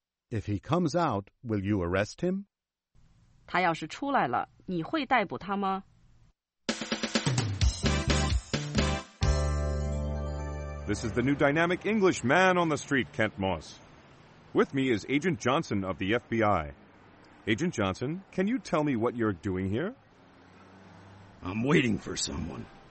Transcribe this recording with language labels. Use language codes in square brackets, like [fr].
[en] If he comes out, will you arrest him? [zh] 他要是出来了，你会逮捕他吗？ [en] This is the new dynamic English man on the street, Kent Moss. With me is Agent Johnson of the FBI. Agent Johnson, can you tell me what you're doing here? I'm waiting for someone.